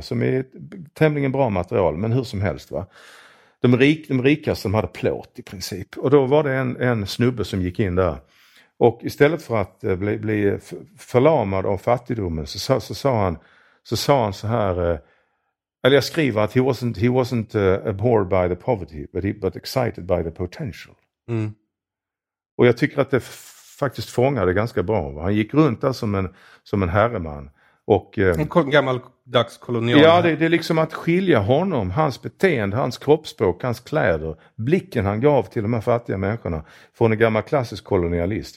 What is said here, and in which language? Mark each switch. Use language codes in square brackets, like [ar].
[sv] Som är tämligen bra material. Men hur som helst, va. De rika som hade plåt i princip. Och då var det en snubbe som gick in där. Och istället för att bli förlamad av fattigdomen så sa han så här. Eller jag skriver att [en] he wasn't abhorred by the poverty but excited by the potential. Mm. [sv] Och jag tycker att det faktiskt fångade ganska bra. Va? Han gick runt där som en herreman. Och, en gammaldags kolonial. Ja, det är liksom att skilja honom, hans beteende, hans kroppsspråk, hans kläder, blicken han gav till de här fattiga människorna från en gammal klassisk kolonialist.